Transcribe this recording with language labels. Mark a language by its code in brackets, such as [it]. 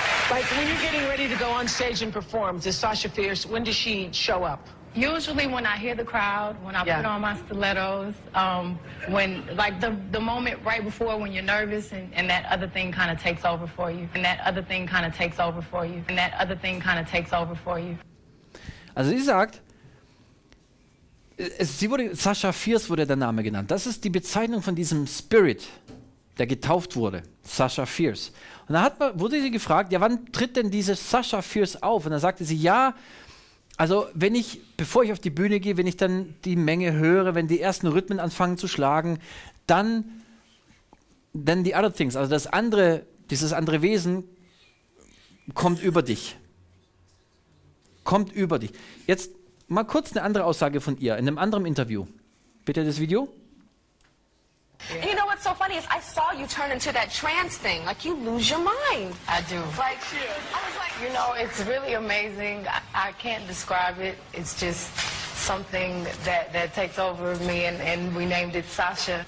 [en] Like when you're getting ready to go on stage and perform, does Sasha Fierce, when does she show up? Usually when I hear the crowd, when I put on my stilettos, when like the moment right before when you're nervous and that other thing kind of takes over for you. And that other thing kind of takes over for you. And that other thing kind of takes over for you. [de] Also sie sagt, Sasha Fierce wurde der Name genannt. Das ist die Bezeichnung von diesem Spirit, der getauft wurde, Sasha Fierce. Und da wurde sie gefragt, ja, wann tritt denn diese Sasha Fierce auf? Und da sagte sie, ja, also bevor ich auf die Bühne gehe, wenn ich dann die Menge höre, wenn die ersten Rhythmen anfangen zu schlagen, dann [en] the other things, [de] also dieses andere Wesen kommt über dich. Kommt über dich. Jetzt mal kurz eine andere Aussage von ihr, in einem anderen Interview. Bitte das Video. [en] And you know what's so funny is I saw you turn into that trans thing. Like you lose your mind. I do. Like, yeah. I was like, you know, it's really amazing. I can't describe it. It's just something that takes over me and we named it Sasha.